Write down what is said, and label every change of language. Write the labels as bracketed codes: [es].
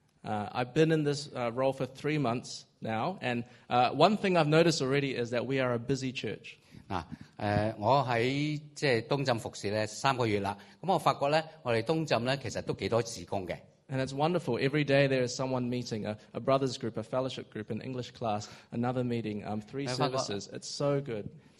[en] I've been in this role for 3 months now, and one thing I've noticed already is that we are a busy church. [zh] 我在东浸服侍3个月了，我发觉我们东浸其实都挺多事工的。 [en] And it's wonderful, every day there is someone meeting, a brother's group, a fellowship group, an English class, another meeting, three services, it's so good.